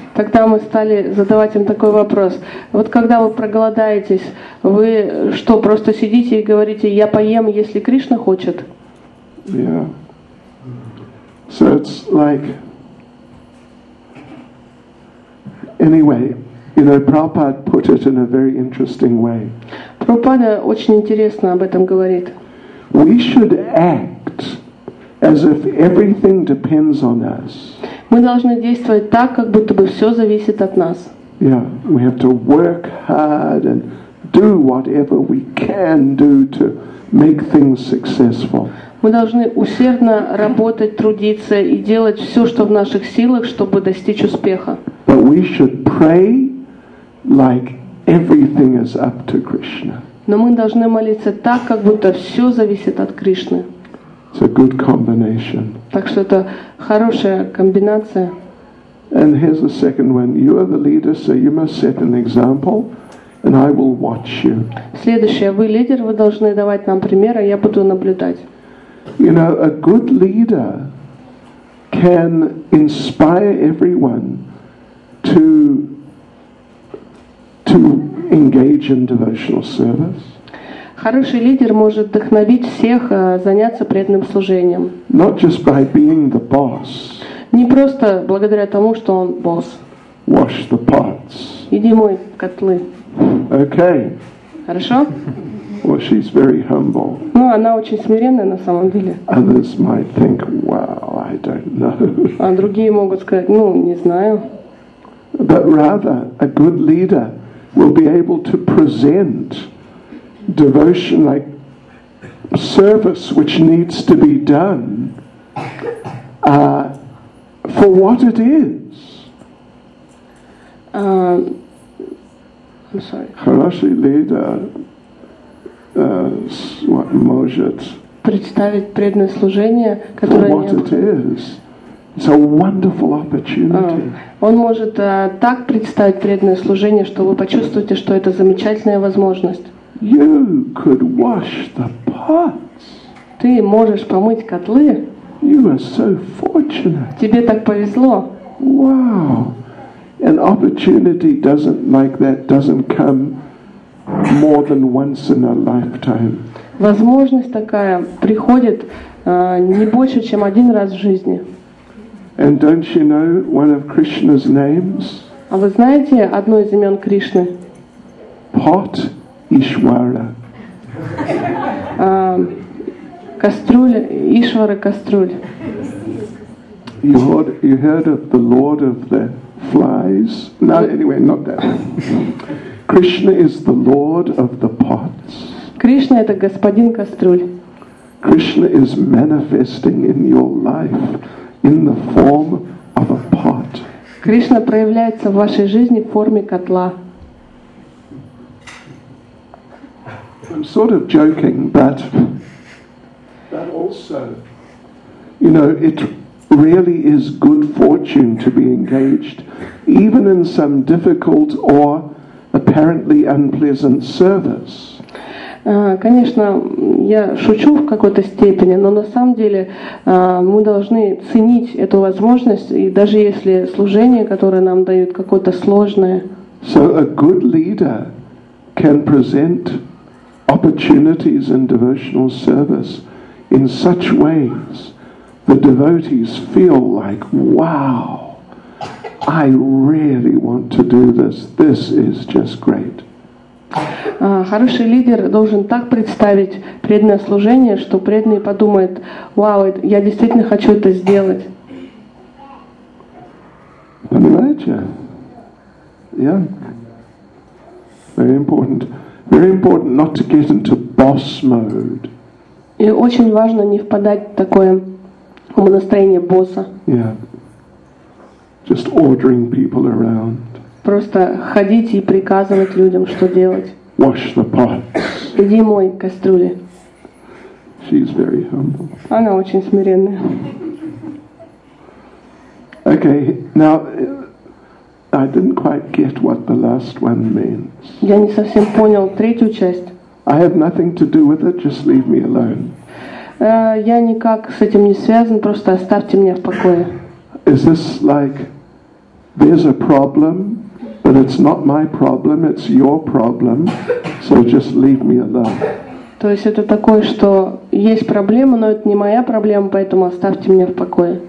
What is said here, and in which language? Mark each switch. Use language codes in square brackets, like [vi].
[ru] Тогда мы стали задавать им такой вопрос. Вот когда вы проголодаетесь, вы что, просто сидите и говорите, я поем, если Кришна хочет? [en] Yeah. So it's like, anyway, you know, Prabhupada put it in a very interesting way. [ru] Прабхупада очень интересно об этом говорит. [en] We should act as if everything depends on us. [ru] Мы должны действовать так, как будто бы все зависит от нас. [en] Yeah, we have to work hard and do whatever we can do to make things successful. [ru] Мы должны усердно работать, трудиться и делать все, что в наших силах, чтобы достичь успеха. [en] But we should pray like everything is up to Krishna. [ru] Но мы должны молиться так, как будто все зависит от Кришны. [en] It's a good combination. [ru] Так что это хорошая комбинация. [en] And here's the second one. You are the leader, so you must set an example, and I will watch you. [ru] Следующее. Вы лидер, вы должны давать нам пример, а я буду наблюдать. [en] You know, a good leader can inspire everyone to engage in devotional service. [ru] Хороший лидер может вдохновить всех заняться преданным служением. [en] Not just by being the boss. [ru] Не просто благодаря тому, что он босс. [en] Wash the pots. [ru] Иди мой котлы. [en] Okay. [ru] Хорошо? [en] Well, she's very humble. [ru] Ну, она очень смиренная на самом деле. [en] Others might think, "Wow, I don't know." [ru] А другие могут сказать, ну, не знаю. [en] But rather, a good leader will be able to present devotion, like service, which needs to be done, for what it is. I'm sorry. [ru] Хороший лидер может представить преданное служение, которое [en] for what it is. It's a wonderful opportunity. [ru] Он может так представить преданное служение, что вы почувствуете, что это замечательная возможность. [en] You could wash the pots. [ru] Ты можешь помыть котлы. [en] You are so fortunate. [ru] Тебе так повезло. [en] Wow. An opportunity doesn't like that doesn't come more than once in a lifetime. [ru] Возможность такая приходит не больше, чем один раз в жизни. [en] And don't you know one of Krishna's names? [ru] А вы знаете одно из имен Кришны? [en] Pot Ishvara. [ru] Кастрюля, Ишвара кастрюля. [en] You heard of the Lord of the Flies? No, anyway, not that one. Krishna is the Lord of the Pots. [ru] Кришна это господин кастрюль. [en] Krishna is manifesting in your life. In the form of a pot. [ru] Кришна проявляется в вашей жизни в форме котла. [en] I'm sort of joking, but also, you know, it really is good fortune to be engaged, even in some difficult or apparently unpleasant service. [ru] Конечно, я шучу в какой-то степени, но на самом деле мы должны ценить эту возможность, и даже если служение, которое нам дают, какое-то сложное. [en] So a good leader can present opportunities in devotional service in such ways the devotees feel like, wow, I really want to do this. This is just great. [ru] Хороший лидер должен так представить преданное служение, что преданный подумает, вау, я действительно хочу это сделать. Понимаете? [en] Yeah. Very important. Very important not to get into boss mode. [ru] И очень важно не впадать в такое настроение босса. [en] Yeah. Just ordering people around. [ru] Просто ходить и приказывать людям, что делать. [en] Wash the pots. [ru] Иди мой кастрюли. [en] She's very humble. [ru] Она очень смиренная. [en] Okay, now I didn't quite get what the last one means. [ru] Я не совсем понял третью часть. [en] I have nothing to do with it. Just leave me alone. [ru] Я никак с этим не связан. Просто оставьте меня в покое. [en] Is this like there's a problem? But it's not my problem, it's your problem, so just leave me alone. [ru] То есть это такое, что есть проблема, но это не моя проблема, поэтому оставьте меня в покое.